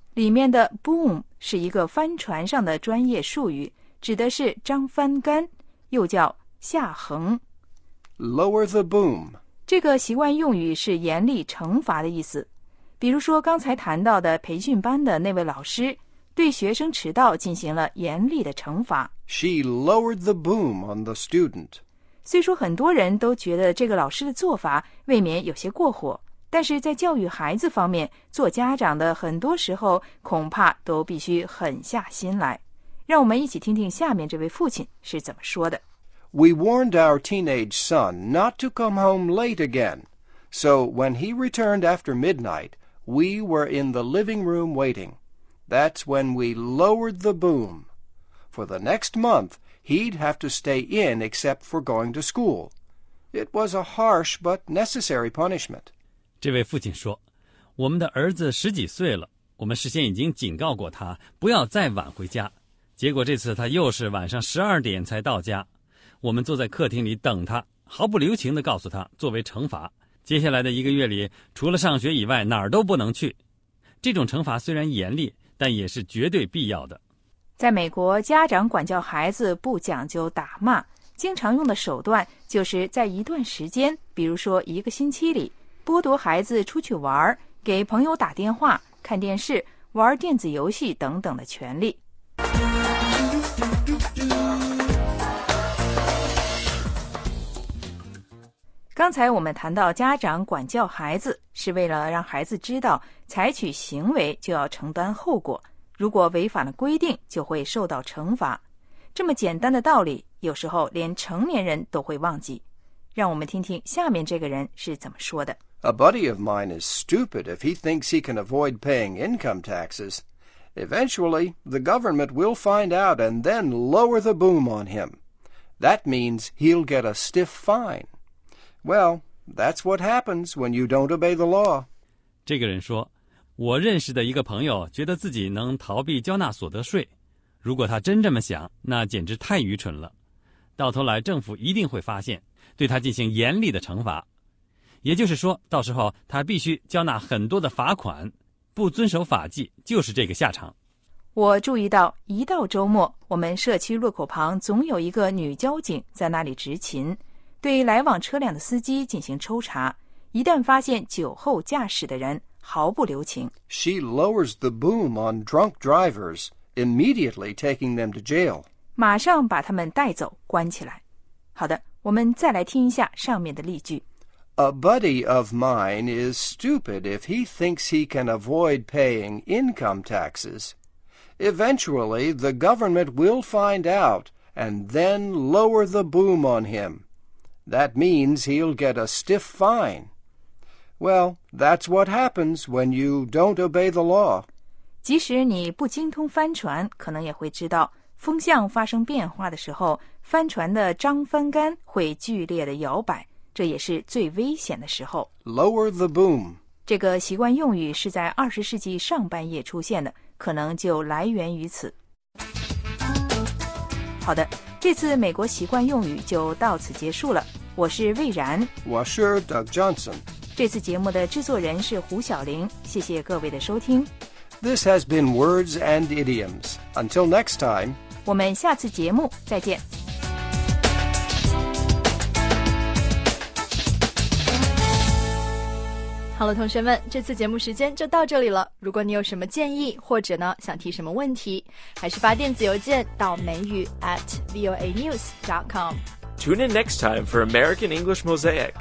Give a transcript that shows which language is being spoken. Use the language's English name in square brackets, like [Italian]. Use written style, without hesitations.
[Chinese] 里面的 boom 是一个帆船上的专业术语，指的是张帆杆，又叫下横。 [English] Lower the boom [Chinese] 这个习惯用语是严厉惩罚的意思，比如说刚才谈到的培训班的那位老师对学生迟到进行了严厉的惩罚。 [English] She lowered the boom on the student. [Chinese] 虽说很多人都觉得这个老师的做法未免有些过火，但是在教育孩子方面，做家长的很多时候恐怕都必须狠下心来。让我们一起听听下面这位父亲是怎么说的。 [English] We warned our teenage son not to come home late again. So when he returned after midnight, we were in the living room waiting. That's when we lowered the boom. For the next month, he'd have to stay in except for going to school. It was a harsh but necessary punishment. [Chinese] 这位父亲说，我们的儿子十几岁了，我们事先已经警告过他不要再晚回家，结果这次他又是晚上12点才到家。我们坐在客厅里等他，毫不留情地告诉他，作为惩罚，接下来的一个月里除了上学以外哪儿都不能去。这种惩罚虽然严厉，但也是绝对必要的。在美国，家长管教孩子不讲究打骂，经常用的手段就是在一段时间，比如说一个星期里，剥夺孩子出去玩、给朋友打电话、看电视、玩电子游戏等等的权利。刚才我们谈到家长管教孩子是为了让孩子知道采取行为就要承担后果，如果违反了规定就会受到惩罚。这么简单的道理有时候连成年人都会忘记。让我们听听下面这个人是怎么说的。 [English] A buddy of mine is stupid if he thinks he can avoid paying income taxes. Eventually, the government will find out and then lower the boom on him. That means he'll get a stiff fine. Well, that's what happens when you don't obey the law. [Chinese] 这个人说，我认识的一个朋友觉得自己能逃避交纳所得税。如果他真这么想，那简直太愚蠢了。到头来，政府一定会发现，对他进行严厉的惩罚。也就是说，到时候他必须交纳很多的罚款，不遵守法纪就是这个下场。我注意到，一到周末，我们社区路口旁总有一个女交警在那里执勤，对来往车辆的司机进行抽查，一旦发现酒后驾驶的人，毫不留情。 [English] She lowers the boom on drunk drivers, immediately taking them to jail. [Chinese] 马上把他们带走，关起来。好的，我们再来听一下上面的例句。 [English] A buddy of mine is stupid if he thinks he can avoid paying income taxes. Eventually, the government will find out and then lower the boom on him. That means he'll get a stiff fine. Well, that's what happens when you don't obey the law. [Chinese] 即使你不精通帆船，可能也会知道，风向发生变化的时候，帆船的张帆杆会剧烈的摇摆。这也是最危险的时候。 [English] Lower the boom. [Chinese] 这个习惯用语是在20世纪上半叶出现的，可能就来源于此。好的，这次美国习惯用语就到此结束了。我是魏然。我是 Doug Johnson。这次节目的制作人是胡晓玲。谢谢各位的收听。 [English] This has been Words and Idioms. Until next time. [Chinese] 我们下次节目再见。好了，同学们，这次节目时间就到这里了。如果你有什么建议，或者呢想提什么问题，还是发电子邮件到美语@voanews.com。 [English] Tune in next time for American English Mosaic.